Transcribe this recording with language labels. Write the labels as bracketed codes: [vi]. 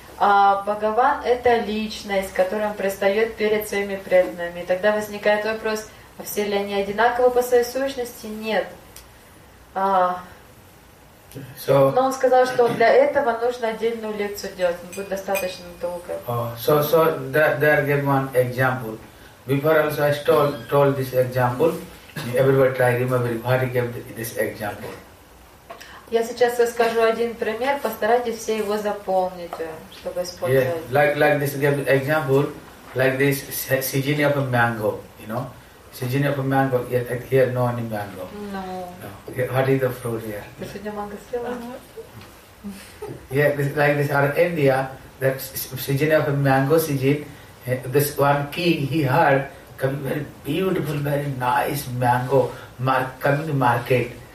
[ru] А Бхагаван — это личность, которая он предстает перед своими преданными. И тогда возникает вопрос — все ли они одинаковы по своей сущности? Нет. Но он сказал, что для этого нужно отдельную лекцию делать, будет достаточно долго. [en] So there give one example. Before also I told this example. Everybody try remember what he gave this example. [ru] Я сейчас расскажу один пример, постарайтесь все его заполнить, чтобы использовать. [en] Yeah, like this give example, like this Sijini of a mango, you know. Sijini of a mango, here no any mango. No. What is the fruit here? Sijini mango still. Yeah, like this our India, that Sijini of a mango Sijin, this one king, he heard coming very beautiful, very nice mango coming to market.